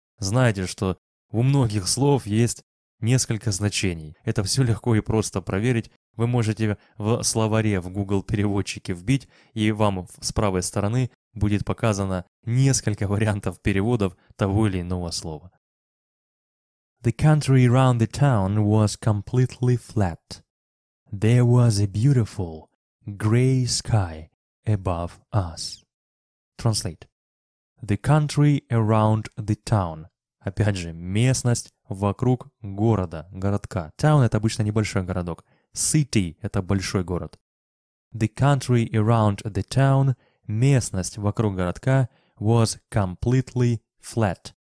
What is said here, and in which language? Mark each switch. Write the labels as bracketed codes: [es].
[ru] Знайте, что у многих слов есть несколько значений. Это все легко и просто проверить. Вы можете в словаре в Google переводчике вбить, и вам с правой стороны будет показано несколько вариантов переводов того или иного слова. [en] The country around the town was completely flat. There was a beautiful gray sky above us. Translate. The country around the town. [ru] Опять же, местность вокруг города, городка. Town — это обычно небольшой городок. City — это большой город. [en] The country around the town, [ru] местность вокруг городка, [en] was completely flat.